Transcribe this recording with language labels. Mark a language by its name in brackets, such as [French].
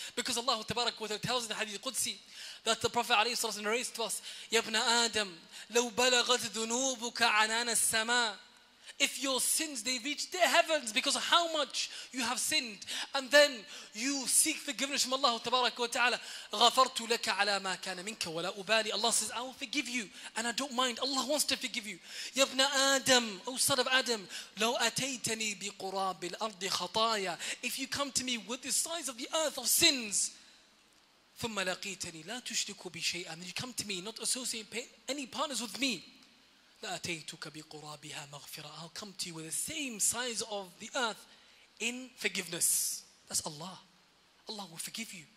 [English] Because Allah Tabarak wa Ta'ala tells in the Hadith Qudsi that the Prophet alayhi sallallahu alayhi wa sallam narrates to us, [Arabic] يَبْنَ آدَمْ لَوْ بَلَغَتْ ذُنُوبُكَ عَنَانَ السَّمَاءِ. [English] If your sins, they reach their heavens because of how much you have sinned. And then you seek forgiveness from Allah Tabarak wa Ta'ala. [Arabic] غَفَرْتُ لَكَ عَلَى مَا كَانَ مِنْكَ وَلَا أُبَالِي. [English] Allah says, I will forgive you and I don't mind. Allah wants to forgive you. [Arabic] يَبْنَ آدَمْ, [English] O son of Adam, [Arabic] لَوْ أَتَيْتَنِي بِقُرَابِ الْأَرْضِ خَطَايَا. [English] If you come to me with the size of the earth of sins, [Arabic] ثم لقيتني لا تشرك بشيء. [English] And you come to me, not associate any partners with me. [Arabic] لأتيتك بقرابها مغفرة. [English] I'll come to you with the same size of the earth in forgiveness. That's Allah. Allah will forgive you.